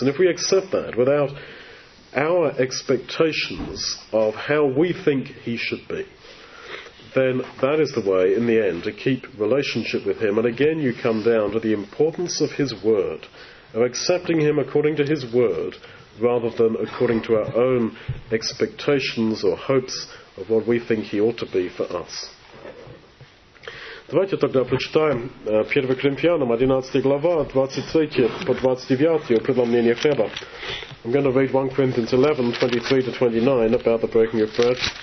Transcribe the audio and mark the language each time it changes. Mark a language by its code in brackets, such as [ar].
[en] And if we accept that without our expectations of how we think He should be, then that is the way, in the end, to keep relationship with Him. And again, you come down to the importance of His Word, of accepting Him according to His Word, rather than according to our own expectations or hopes of what we think He ought to be for us. [ru] Давайте тогда прочитаем 1 Коринфянам 11 глава, 23 по 29 о преломлении хлеба. [en] I'm going to read 1 Corinthians 11, 23 to 29 about the breaking of bread.